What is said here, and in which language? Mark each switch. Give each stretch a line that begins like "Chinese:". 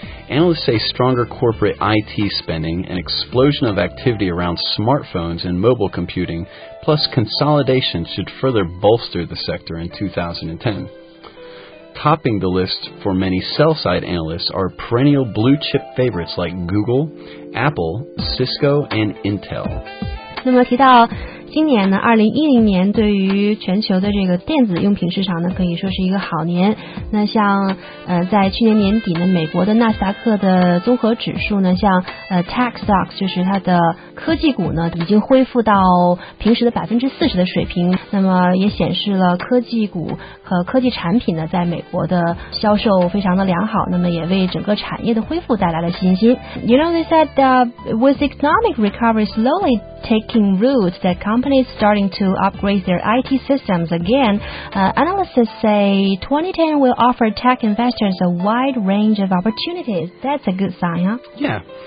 English: Analysts say stronger corporate IT spending, an explosion of activity around smartphones and mobile computing, plus consolidation should further bolster the sector in 2010. Topping the list for many sell-side analysts are perennial blue-chip favorites like Google, Apple, Cisco, and Intel.
Chinese: 那么提到今年呢2010年对于全球的这个电子用品市场呢可以说是一个好年。那像在去年年底呢，美国的纳斯达克的综合指数呢，像
English: Tech Stocks
Chinese: 就是它的科技股呢，已经恢复到平时的40%的水平。那么也显示了科技股和科技产品呢在美国的销售非常的良好，那么也为整个产业的恢复带来了信心。
English: You know they said that with economic recovery slowly taking root, that companies starting to upgrade their IT systems again. Analysts say 2010 will offer tech investors a wide range of opportunities. That's a good sign, huh? Yeah.